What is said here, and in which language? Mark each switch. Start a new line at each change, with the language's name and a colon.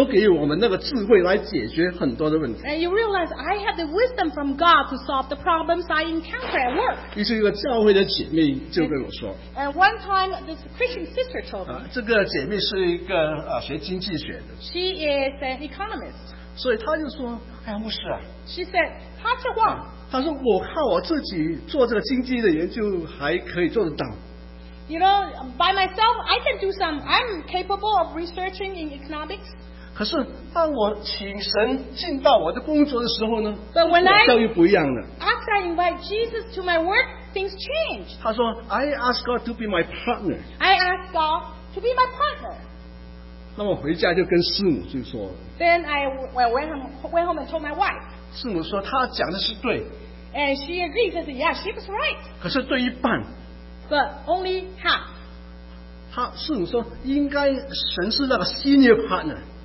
Chinese: 我们就发现我们在工作上有神所给我们那个智慧来解决很多的问题。
English: And you realize I have the wisdom from God to solve the problems I encounter at work.
Chinese: 于是一个教会的姐妹就跟我说。
English: And one time, this Christian sister told me.
Chinese: 这个姐妹是一个学经济学的。
English: She is an economist.
Chinese: 所以她就说，哎呀，牧师啊。
English: She said, Pastor Wang.
Chinese: 他说我靠我自己做这个经济的研究还可以做得到。
English: You know, by myself, I can do some. I'm capable of researching in economics.
Chinese: 可是当我请神进到我的工作的时候呢，
English: But when
Chinese: 我教育不一样了。
English: After I invite Jesus to my work, things change.
Chinese: 他说
English: I ask God to be my partner. I ask God to be my partner.
Chinese: 那我回家就跟师母就说了。
English: Then I went home and told my wife.
Chinese: 师母说他讲的是对。
English: And she agreed. She said, yeah, she was right.
Chinese: 可是对一半。
English: But only half.
Chinese: 师母说应该神是那个 senior partner。